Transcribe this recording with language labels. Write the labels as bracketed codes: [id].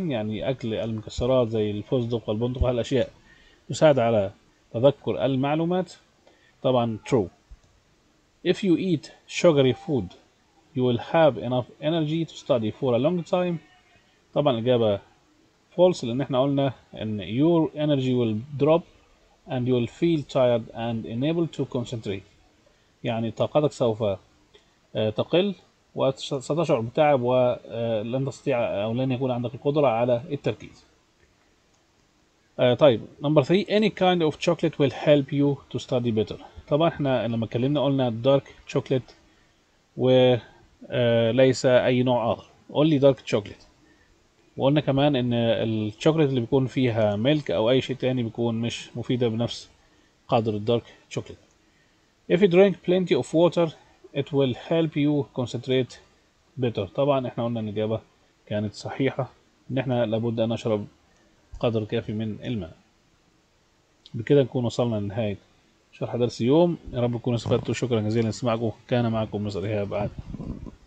[ar] يعني اكل المكسرات زي الفستق والبندق هالاشياء تساعد على تذكر المعلومات. طبعا true. [en] if you eat sugary food you will have enough energy to study for a long time. [ar] طبعا الإجابة false، لأن احنا قلنا إن [en] your energy will drop and you will feel tired and unable to concentrate. [ar] يعني طاقتك سوف تقل وستشعر بتعب ولن تستطيع أو لن يكون عندك القدرة على التركيز. طيب number 3. [en] any kind of chocolate will help you to study better. [ar] طبعا احنا لما اتكلمنا قلنا dark chocolate وليس أي نوع آخر. [en] only dark chocolate. [ar] وقلنا كمان ان الشوكولاتة اللي بيكون فيها ميلك او اي شيء تاني بيكون مش مفيدة بنفس قدر الدارك شوكولاتة. [en] if you drink plenty of water it will help you concentrate better. [ar] طبعا احنا قلنا ان الاجابة كانت صحيحة، ان احنا لابد ان نشرب قدر كافي من الماء. بكده نكون وصلنا لنهاية شرح درس اليوم. يا رب تكونوا استفدتوا، شكرا جزيلا لاستماعكم، كان معكم مستر ايهاب عادل.